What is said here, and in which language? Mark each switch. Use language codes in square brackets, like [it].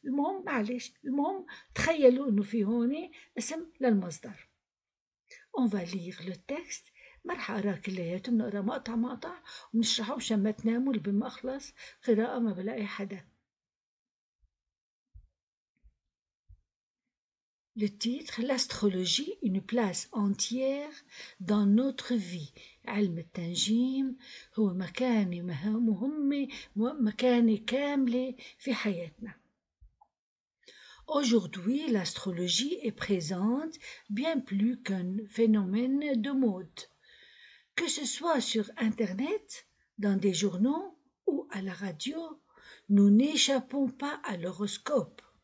[ar] المهم معلش، المهم تخيلوا انه في هون اسم للمصدر. اون فا ليغ لو تكست، ما راح اقرا كلياته، بنقرا مقطع مقطع ونشرحه مشان ما تناموا، لبين ما اخلص قراءه ما بلاقي حدا. [fr] Le titre, l'astrologie, une place entière dans notre vie. [ar] علم التنجيم هو مكان مهم، مكان كامل في حياتنا. [fr] Aujourd'hui, l'astrologie est présente bien plus qu'un phénomène de mode. Que ce soit sur Internet, dans des journaux ou à la radio, nous n'échappons pas à l'horoscope.